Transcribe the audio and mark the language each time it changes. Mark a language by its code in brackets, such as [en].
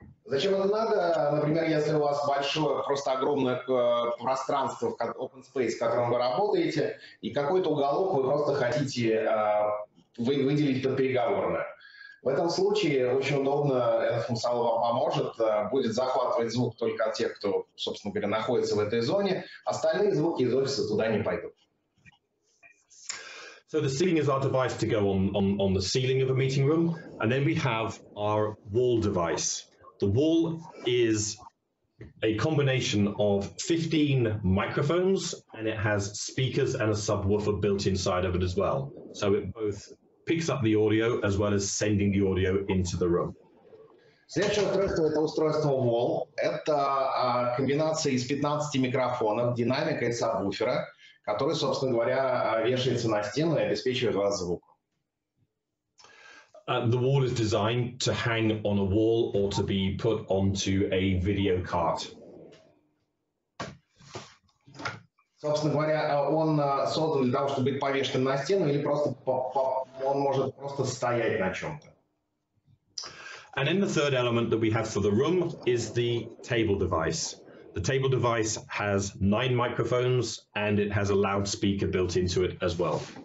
[ru] Зачем это надо? Например, если у вас большое, просто огромное пространство, open space, в котором вы работаете, и какой-то уголок вы просто хотите выделить под переговорное. В этом случае очень удобно, этот функционал вам поможет, будет захватывать звук только от тех, кто, собственно говоря, находится в этой зоне, остальные звуки из офиса туда не пойдут. [en] So the ceiling is our device to go on the ceiling of a meeting room, and then we have our wall device. The wall is a combination of 15 microphones, and it has speakers and a subwoofer built inside of it as well. So it both picks up the audio as well as sending the audio into the room. [ru] Следующее устройство – это устройство wall. Это комбинация из 15 микрофонов, динамика и сабвуфера, который, собственно говоря, вешается на стену и обеспечивает вас звуком. [en] The wall is designed to hang on a wall or to be put onto a video card. [ru] Собственно говоря, он создан для того, чтобы быть повешенным на стену, или просто он может просто стоять на чем-то. [en] And then the third element that we have for the room is the table device. The table device has 9 microphones and it has a loudspeaker built into it as well.